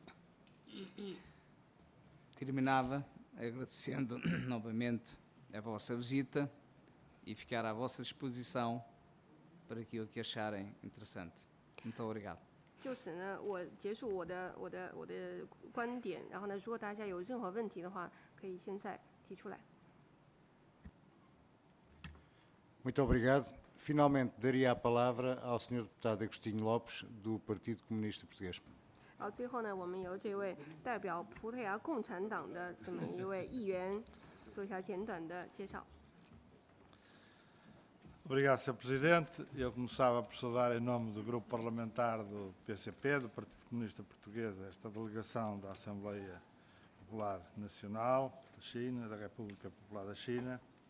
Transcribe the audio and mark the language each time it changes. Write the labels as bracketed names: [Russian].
[Chinese] 我现在跟大家讲这个橄榄油呢，是因为我知道，然后中国呢，其实那个传统的一些菜谱呢，都非常的健康，非常的绿色，所以呢，而且这个橄榄油呢，是基本上全世界不管你是什么样形式的这么一种烹饪方式呢，都使用。 [Portuguese] Terminava agradecendo novamente a vossa visita e ficar à vossa disposição para aquilo que acharem interessante. Muito obrigado. [Chinese] 就此呢，我结束我的观点。然后呢，如果大家有任何问题的话，可以现在提出来。 [Portuguese] Muito obrigado. Finalmente daria a palavra ao senhor deputado Agostinho Lopes do Partido Comunista Português. [Chinese] 然后最后呢，我们由这位代表葡萄牙共产党的这么一位议员做一下简短的介绍。 [Portuguese] Obrigado, Sr. Presidente. Eu começava por saudar em nome do Grupo Parlamentar do PCP, do Partido Comunista Português, esta delegação da Assembleia Popular Nacional da China, da República Popular da China.